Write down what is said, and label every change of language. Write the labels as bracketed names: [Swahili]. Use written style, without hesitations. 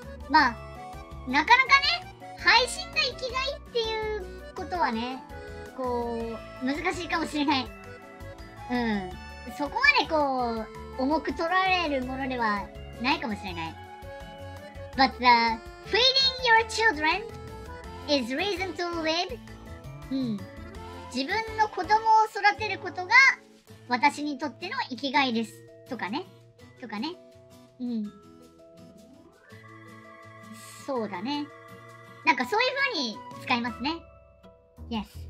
[Japanese] まあなかなかね、配信が生きがいっていうことはね、こう、難しいかもしれない。うん。そこまでこう、重く取られるものではないかもしれない。 [English] But the feeding your children is reason to live. [Japanese] うん。自分の子供を育てることが私にとっての生きがいです。とかね。とかね。うん。そうだね。なんかそういう風に使いますね。 [English] Yes.